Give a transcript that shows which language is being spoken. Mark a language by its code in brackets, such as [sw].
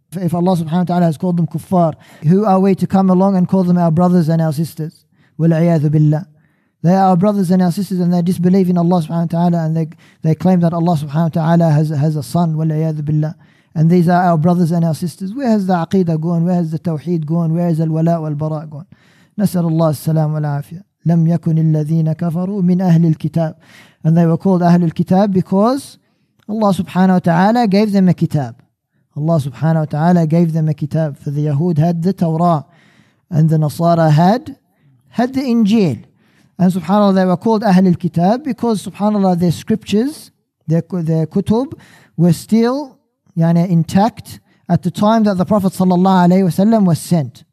[en] If Allah subhanahu wa ta'ala has called them kuffar, who are we to come along and call them our brothers and our sisters? Wal-iyadhu billah. They are our brothers and our sisters, and they disbelieve in Allah subhanahu wa ta'ala, and they claim that Allah subhanahu wa ta'ala has a son. Wal-iyadhu billah. And these are our brothers and our sisters. Where has the aqidah gone? Where has the tawheed gone? Where is al-wala wal-bara gone? [ar] نسأل الله السلام والعافية. لم يكن الذين كفروا من أهل الكتاب. [en] And they were called أهل الكتاب because Allah subhanahu wa ta'ala gave them a kitab. Allah subhanahu wa ta'ala gave them a kitab. For the Yahud had the Torah. And the Nasara had the Injil. And subhanAllah, they were called أهل الكتاب because subhanAllah, their scriptures, their kutub were still يعني intact at the time that the Prophet sallallahu alayhi wa sallam was sent.